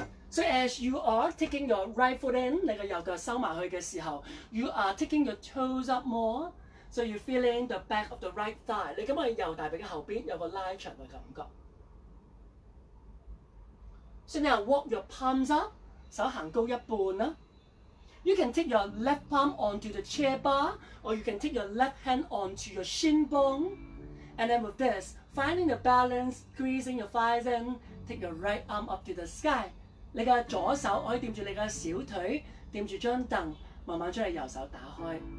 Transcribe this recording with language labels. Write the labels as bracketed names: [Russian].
[English] So as you are taking your right foot in, [Cantonese] 你的右腳收埋去的時候 [English] you are taking your toes up more, so you're feeling the back of the right thigh. [Cantonese] 你感覺右大髀的後邊有個拉長的感覺。 [English] So now walk your palms up, [Cantonese] 手行高一半 [English] You can take your left palm onto the chair bar, or you can take your left hand onto your shin bone. And then with this, finding the balance, squeezing your thighs in, take your right arm up to the sky. [Cantonese] 你的左手可以掂住你的小腿，掂住张凳，慢慢将你右手打开。